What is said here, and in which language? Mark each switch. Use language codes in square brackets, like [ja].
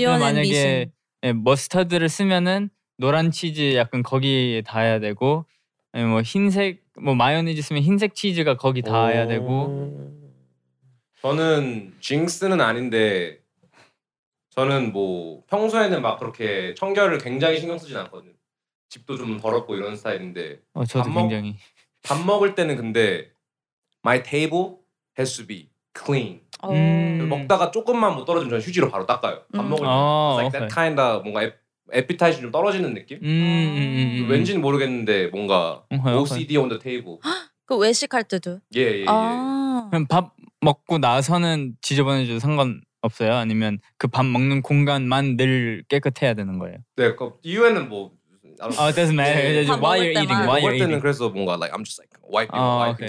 [ko] 만약에 예, 머스터드를 쓰면은 노란 치즈 약간 거기에 닿아야 되고 뭐 흰색 뭐 마요네즈 쓰면 흰색 치즈가 거기 닿아야 되고. 저는 징스는 아닌데 저는 뭐 평소에는 막 그렇게 청결을 굉장히 신경 쓰진 않거든요. 집도 좀 더럽고 이런 스타일인데 어, 저도 굉장히 밥 먹을 때는 근데 [en] my table has to be clean. [ko] 먹다가 조금만 뭐 떨어지면 저는 휴지로 바로 닦아요. 밥 먹을 때 [en] like that kind of [ko] 뭔가 에피타이즈 좀 떨어지는 느낌? 왠지는 모르겠는데 뭔가 [en] OCD on the table. [ko] 그 외식할 때도? 예, 예, 예. 아. 그럼 밥 먹고 나서는 지저분해져도 상관없어요? 아니면 그 밥 먹는 공간만 늘 깨끗해야 되는 거예요? 네, 그 이유에는 뭐... [en] Oh, it doesn't matter. Yeah, yeah. Why you're eating, why you're eating. [ko] 그래서 뭔가 [en] like, I'm just like wiping okay.